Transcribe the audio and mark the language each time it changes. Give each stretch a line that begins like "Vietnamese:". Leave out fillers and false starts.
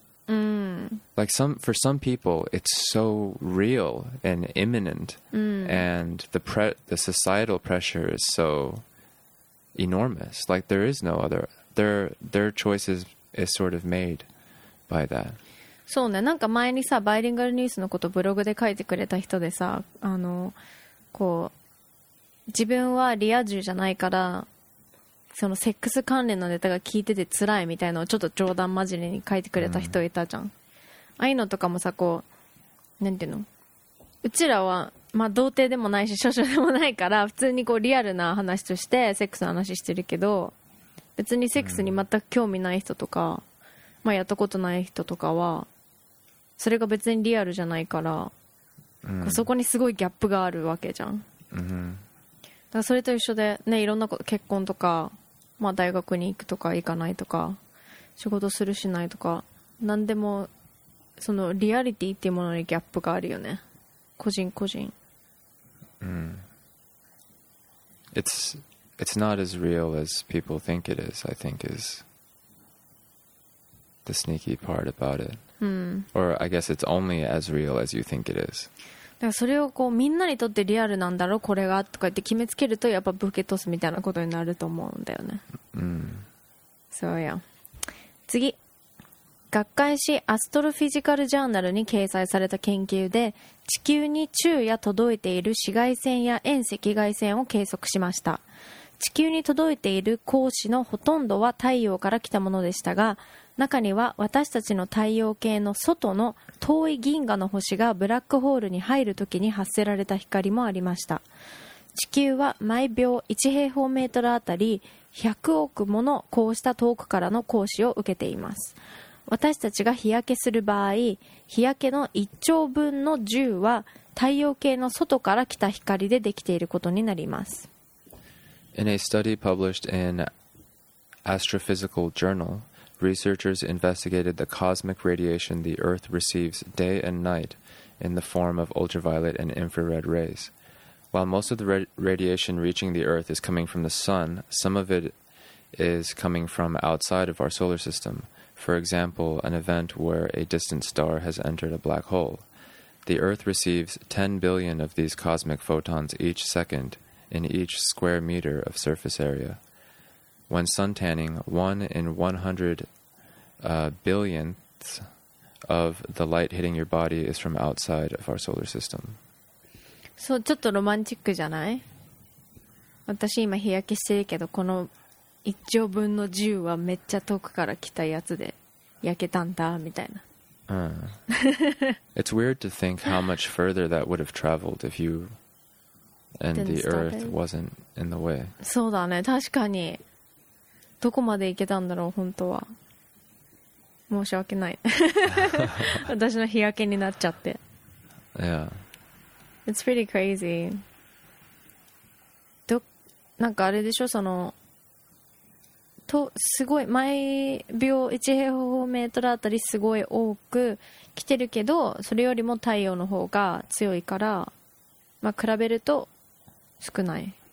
English: Like some, for some people, it's so real and imminent, and the societal pressure is so enormous. Like there is no other, their choices is sort of made by that.
Japanese: そうね、なんか前にさ、バイリンガルニュースのことブログで書いてくれた人でさ、あのこう自分はリア充じゃないから。そのセックス関連のネタが聞いてて辛いみたいのをちょっと冗談交じりに書いてくれた人いたじゃん、ああいうのとかもさ、こうなんていうの、うちらはまあ童貞でもないし少女でもないから普通にこうリアルな話としてセックスの話してるけど、別にセックスに全く興味ない人とか、まあやったことない人とかはそれが別にリアルじゃないから、そこにすごいギャップがあるわけじゃん、だからそれと一緒でね、いろんなこと、結婚とか、まあ大学に行くとか行かないとか、仕事するしないとか、何でも、そのリアリティっていうものにギャップがあるよね。個人個人。
English: It's not as real as people think it is, I think is the sneaky part about it. Or I guess it's only as real as you think it is.
Japanese: だからそれをこうみんなにとってリアルなんだろうこれがとか言って決めつけるとやっぱブケトスみたいなことになると思うんだよね。そうや。次、学会誌アストロフィジカルジャーナルに掲載された研究で地球に昼夜届いている紫外線や遠赤外線を計測しました。地球に届いている光子のほとんどは太陽から来たものでしたが、中には私たちの太陽系の外の遠い銀河の星がブラックホールに入るときに発せられた光もありました。地球は毎秒1平方メートルあたり100億ものこうした遠くからの光子を受けています。私たちが日焼けする場合、日焼けの1兆分の10は太陽系の外から来た光でできていることになります。
English: In a study published in Astrophysical JournalResearchers investigated the cosmic radiation the Earth receives day and night in the form of ultraviolet and infrared rays. While most of the radiation reaching the Earth is coming from the Sun, some of it is coming from outside of our solar system. For example, an event where a distant star has entered a black hole. The Earth receives 10 billion of these cosmic photons each second in each square meter of surface area. When sun tanning, 1 in 100 billionth of the light hitting your body is from outside of our solar system.
Japanese: そう、ちょっとロマンチックじゃない？私今日焼けしてるけど、この1兆分の10はめっちゃ遠くから来たやつで焼けたんだみたいな。
English: It's weird to think how much further that would have traveled if you and the Earth wasn't in the way.
Japanese: そうだね、確かに。どこまで行けたんだろう本当は。申し訳ない私の日焼けになっちゃって。
English: Yeah, it's pretty crazy.
Japanese: なんかあれでしょ、そのとすごい毎秒1平方メートルあたりすごい多く来てるけど、それよりも太陽の方が強いから、まあ比べると少ない。